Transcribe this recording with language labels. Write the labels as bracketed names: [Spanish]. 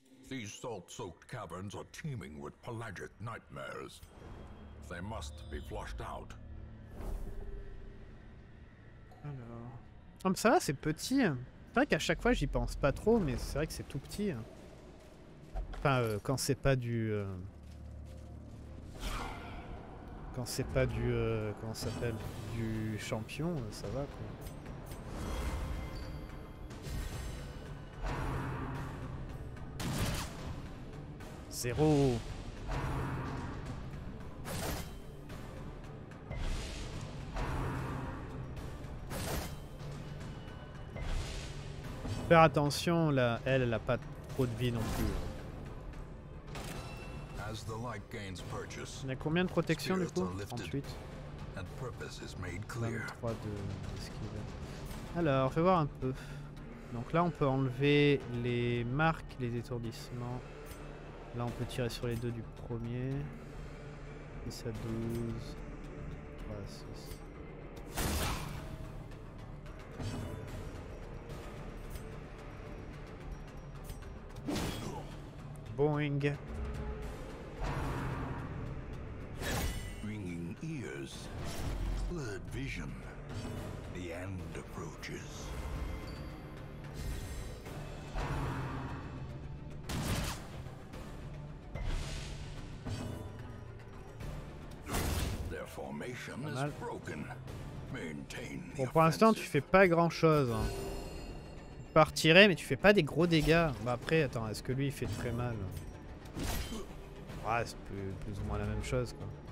[English] These salt-soaked caverns are teeming with pelagic nightmares. They must be flushed out. [French] Alors... Oh, mais ça va, c'est petit. C'est vrai qu'à chaque fois, j'y pense pas trop, mais c'est vrai que c'est tout petit. Enfin, quand c'est pas du... Quand c'est pas du... comment ça s'appelle? Du champion, ça va, quoi. Zéro. Faire attention, là, elle n'a pas trop de vie non plus. [English] As the light gains purchase, [French] on a combien de protection du coup? 38. [English] And purpose is made clear. [French] 23 d'esquive. Alors, fais voir un peu. Donc là, on peut enlever les marques, les étourdissements. Là, on peut tirer sur les deux du premier. 10 à 12. 3 à 6. Boing. [English] Ringing ears. Blurred vision. The end approaches. Their formation is broken. Maintain. [French] Bon, pour l'instant, tu fais pas grand chose. Partirait, mais tu fais pas des gros dégâts. Bah après, attends, est-ce que lui il fait très mal? Ouais, c'est plus ou moins la même chose quoi.